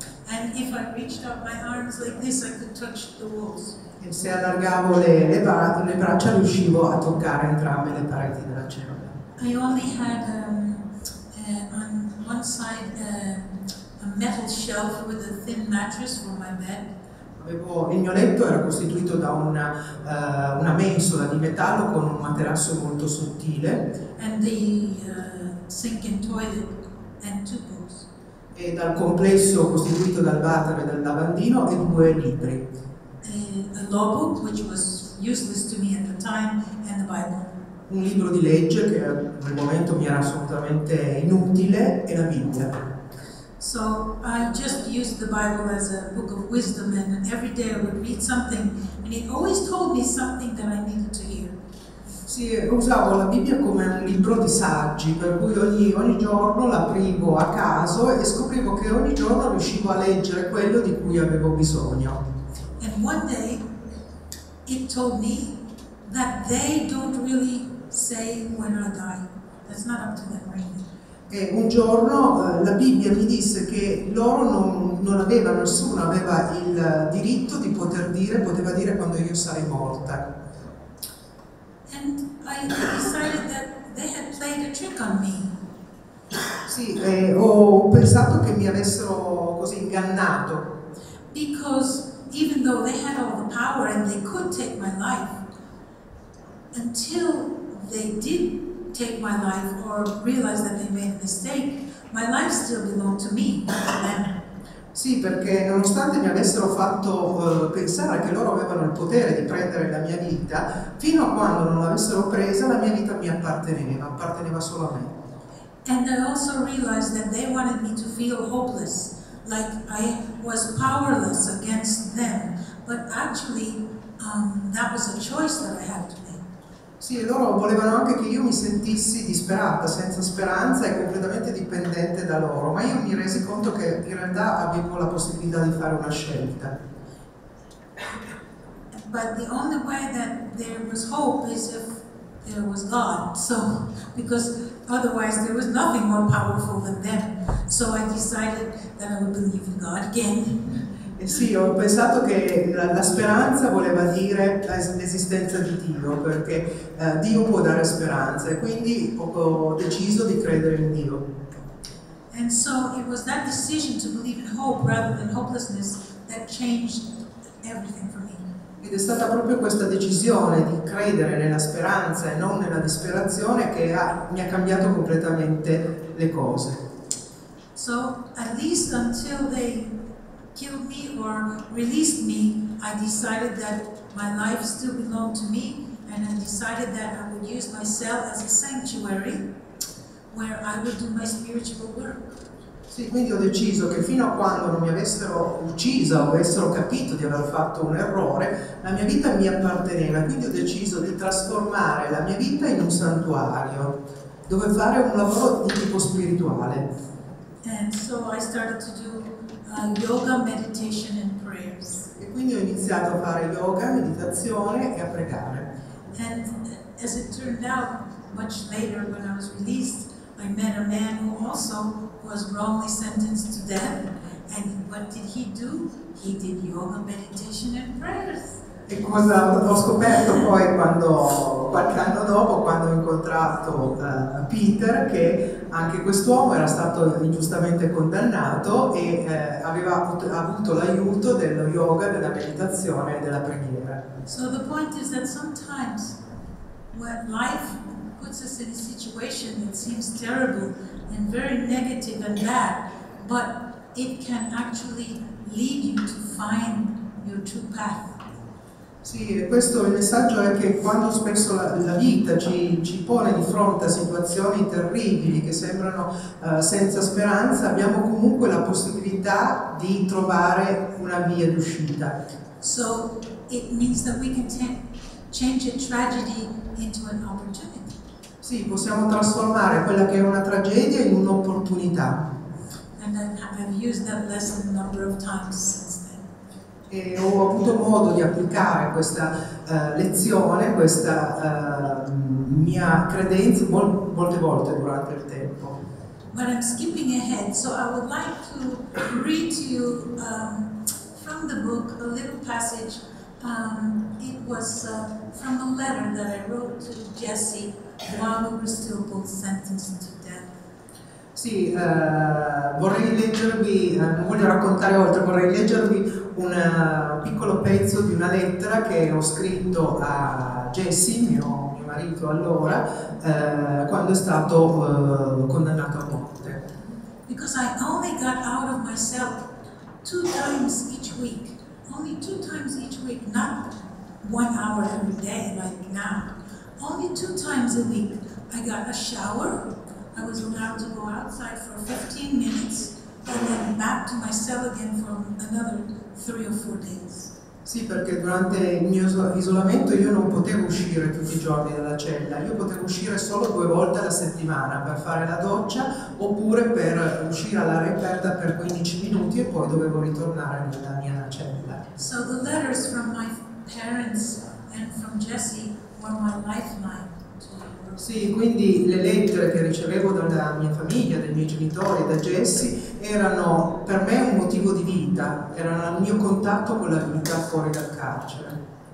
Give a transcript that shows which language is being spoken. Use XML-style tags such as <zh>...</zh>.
<en>And if I reached out my arms like this, I could touch the walls.</en> <it>E se allargavo le braccia, riuscivo a toccare entrambe le pareti della cella.</it> <en>I only had on one side a metal shelf with a thin mattress for my bed.</en> <it>Il mio letto era costituito da una mensola di metallo con un materasso molto sottile.</it> <en>And the sink and toilet and 2 books.</en> <it>E dal complesso costituito dal water e dal lavandino e 2 libri.</it> <en>A law book, which was useless to me at the time, and the Bible.</en> <it>Un libro di legge che al momento mi era assolutamente inutile e la Bibbia.</it> <en>So I just used the Bible as a book of wisdom, and every day I would read something, and it always told me something that I needed to hear.</en> <it>Sì, usavo la Bibbia come un libro di saggi, per cui ogni giorno l'aprivo a caso e scoprivo che ogni giorno riuscivo a leggere quello di cui avevo bisogno.</it> <en>And one day it told me that they don't really say when I die. That's not up to them right now.</en> <it>E un giorno la Bibbia mi disse che loro nessuno aveva il diritto di poter dire quando io sarei morta.</it> <en>And I decided that they had played a trick on me.</en> <it>Sì, Sì. Ho pensato che mi avessero così ingannato.</it> <en>Because even though they had all the power and they could take my life, until they did take my life or realize that they made a mistake, my life still belonged to me.</en> <it>Sì, perché nonostante mi avessero fatto pensare che loro avevano il potere di prendere la mia vita, fino a quando non l'avessero presa, la mia vita mi apparteneva solo a me.</it> <en>And I also realized that they wanted me to feel hopeless, like I was powerless against them. But actually, that was a choice that I had to make.</en> <it>Sì, loro volevano anche che io mi sentissi disperata, senza speranza e completamente dipendente da loro, ma io mi resi conto che in realtà avevo la possibilità di fare una scelta.</it> <en>But the only way that there was hope is if there was God, so, because otherwise there was nothing more powerful than them. So I decided that I would believe in God again.</en> <it>Eh sì, ho pensato che la speranza voleva dire l'esistenza di Dio, perché Dio può dare speranza, e quindi ho deciso di credere in Dio.</it> <en>And so it was that decision to believe in hope rather than hopelessness that changed everything for me.</en> <it>Ed è stata proprio questa decisione di credere nella speranza e non nella disperazione che mi ha cambiato completamente le cose.</it> <en>So at least until they killed me or released me, I decided that my life still belonged to me, and I decided that I would use my cell as a sanctuary where I would do my spiritual work.</en> <it>Sì, quindi ho deciso che fino a quando non mi avessero uccisa o avessero capito di aver fatto un errore, la mia vita mi apparteneva, quindi ho deciso di trasformare la mia vita in un santuario dove fare un lavoro di tipo spirituale.</it> <en>And so I started to do yoga, meditation and prayers.</en> <it>E quindi ho iniziato a fare yoga, meditazione e a pregare.</it> <en>And as it turned out, much later when I was released, I met a man who also was wrongly sentenced to death. And what did he do? He did yoga, meditation and prayers.</en> <it>E cosa ho scoperto poi quando, qualche anno dopo, quando ho incontrato Peter, che anche quest'uomo era stato ingiustamente condannato e aveva avuto l'aiuto dello yoga, della meditazione e della preghiera.</it> <en>So the point is that sometimes when life puts us in a situation that seems terrible and very negative and bad, but it can actually lead you to find your true path.</en> <it>Sì, questo il messaggio è che quando spesso la vita ci pone di fronte a situazioni terribili che sembrano senza speranza, abbiamo comunque la possibilità di trovare una via d'uscita.</it> <en>So it means that we can change a tragedy into an opportunity.</en> <it>Sì, possiamo trasformare quella che è una tragedia in un'opportunità.</it> <en>And I've used that lesson a number of times.</en> <it>E ho avuto modo di applicare questa lezione, questa mia credenza molte volte durante il tempo.</it> <en>But I'm skipping ahead, so I would like to read to you from the book a little passage. It was from a letter that I wrote to Jesse while we were still both sentenced to death.</en> <it>Sì, vorrei leggervi, non voglio raccontare oltre, vorrei leggervi un piccolo pezzo di una lettera che ho scritto a Jesse, mio marito allora, quando è stato condannato a morte.</it> <en>Because I only got out of myself two times each week, only two times each week, not one hour every day like now, only two times a week I got a shower. I was allowed to go outside for 15 minutes and then back to my cell again for another 3 or 4 days.</en> <it>Sì, perché durante il mio isolamento io non potevo uscire tutti i giorni dalla cella. Io potevo uscire solo due volte alla settimana per fare la doccia oppure per uscire all'aria aperta per 15 minuti e poi dovevo ritornare nella mia cella.</it> <en>So the letters from my parents and from Jesse were my lifeline.</en> <it>Sì, quindi le lettere che ricevevo dalla mia famiglia, dai miei genitori, da Jesse, erano per me un motivo di vita, erano il mio contatto con la vita fuori dal carcere.</it>